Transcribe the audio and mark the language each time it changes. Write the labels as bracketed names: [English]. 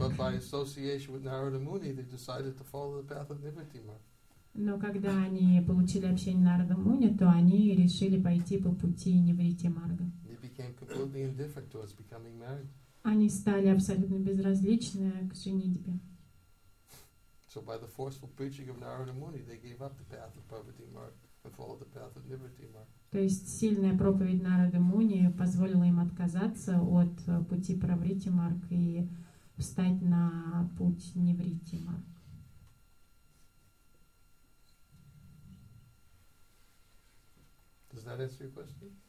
[English] But by association with Narada Muni, they decided to follow the path of Nivritti Marg. [Russian] Но когда они получили общение Нарада Муни, то они решили пойти по пути Нивритти Марга. [English] They became completely indifferent towards becoming married. [Russian] Они стали абсолютно безразличны к женитьбе. [English] So by the forceful preaching of Narada Muni, they gave up the path of Parvati Marg and followed the path of Nivritti Marg. [Russian] То есть сильная проповедь Нарада Муни позволила им отказаться от пути Парвритти Марг и встать на путь Нивритти Марг. [English] Does that answer your question?